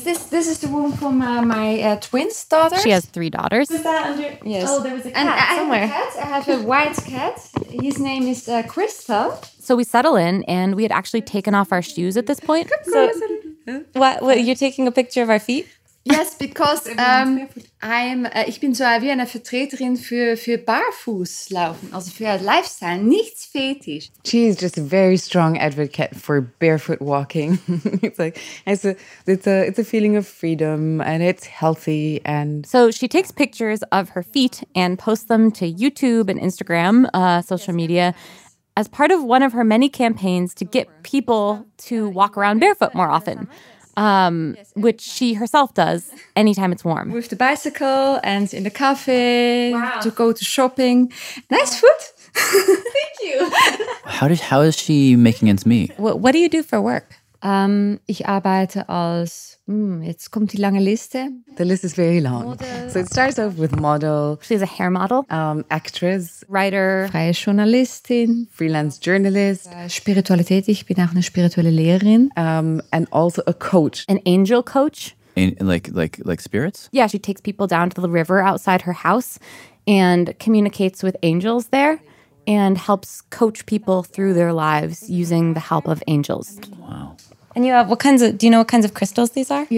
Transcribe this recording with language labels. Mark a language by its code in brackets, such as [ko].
[en] This is the room for my twins' daughter. She has three daughters. Is that under? Yes. Oh, there was a cat somewhere. I have a white cat. His name is Crystal. So we settle in, and we had actually taken off our shoes at this point. So, what, you're taking a picture of our feet? Yes, because [de] ich bin so wie eine Vertreterin für Barfußlaufen, also für Lifestyle, nichts fetisch. [en] She is just a very strong advocate for barefoot walking. it's a feeling of freedom and it's healthy. And so she takes pictures of her feet and posts them to YouTube and Instagram, social media, as part of one of her many campaigns to get people to walk around barefoot more often. Which she herself does anytime it's warm. With the bicycle and in the cafe, wow. To go to shopping. Nice food. Thank you. How is she making ends meet? What do you do for work? [de] Ich arbeite als, jetzt kommt die lange Liste. [en] The list is very long. So it starts off with model. She's a hair model. Actress. Writer. [de] Freie Journalistin. [en] Freelance journalist. [de] Spiritualität, ich bin auch eine spirituelle Lehrerin. [en] And also a coach. An angel coach. Like spirits? Yeah, she takes people down to the river outside her house and communicates with angels there and helps coach people through their lives using the help of angels. Wow. And you have, do you know what kinds of crystals these are?